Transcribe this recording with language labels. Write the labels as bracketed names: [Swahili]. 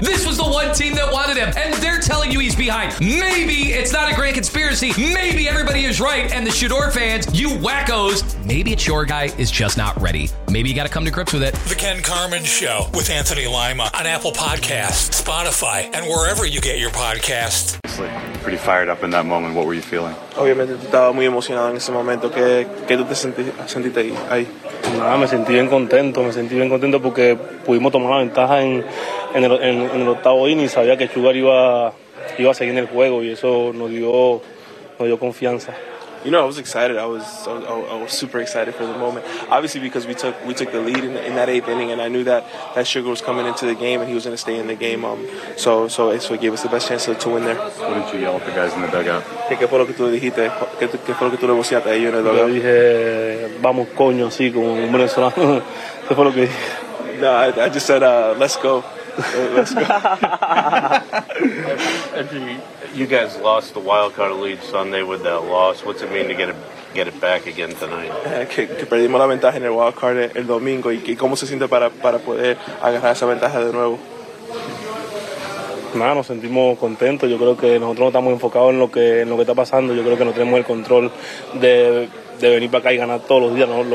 [English] This was the one team that wanted him, and they're telling you he's behind. Maybe it's not a grand conspiracy. Maybe everybody is right, and the Shador fans, you wackos. Maybe it's your guy is just not ready. Maybe you got to come to grips with it. The Ken Carmen Show with Anthony Lima on Apple Podcasts, Spotify, and wherever you get your podcasts. Pretty fired up in that moment. What were you feeling? [Spanish] Obviamente, tú estabas muy emocionado en ese momento. ¿Qué tú te sentiste ahí? Nada, me sentí bien contento. Me sentí bien contento porque pudimos tomar la ventaja en el octavo inning. Sabía que Sugar iba a seguir en el juego y eso nos dio confianza. [English] You know, I was excited. I was super excited for the moment. Obviously, because we took the lead in that eighth inning, and I knew that Sugar was coming into the game and he was going to stay in the game. So it gave us the best chance to win there. What did you yell at the guys in the dugout? [Spanish] ¿Qué fue lo que tú dijiste? ¿Qué fue lo que tú le vociaste a ellos en el dugout? Yo dije, vamos coño, así como un venezolano. ¿Qué fue lo que dije? [English] No, I just said, let's go. Let's go. You guys lost the wild card lead Sunday with that loss. What's it mean to get it back again tonight? [Spanish] Que perdimos la ventaja en el wild card el domingo y cómo se siente para poder agarrar esa ventaja de nuevo. Nada, nos sentimos contentos. Yo creo que nosotros no estamos enfocados en lo que está pasando. Yo creo que no tenemos el control de venir para acá y ganar todos los días, ¿no?